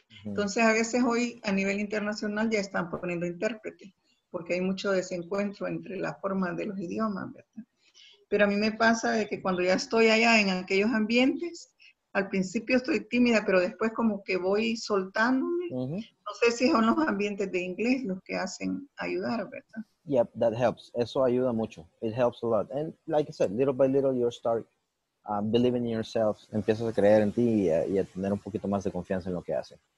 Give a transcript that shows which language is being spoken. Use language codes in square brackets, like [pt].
[es] Entonces, a veces hoy a nivel internacional ya están poniendo intérprete, porque hay mucho desencuentro entre las formas de los idiomas, ¿verdad? Pero a mí me pasa de que cuando ya estoy allá en aquellos ambientes, al principio estoy tímida, pero después como que voy soltándome. No sé si son los ambientes de inglés los que hacen ayudar, ¿verdad? [en] Yep, that helps. [es] Eso ayuda mucho. [en] It helps a lot. And like I said, little by little you start believing in yourself. [es] Empiezas a creer en ti y a tener un poquito más de confianza en lo que haces.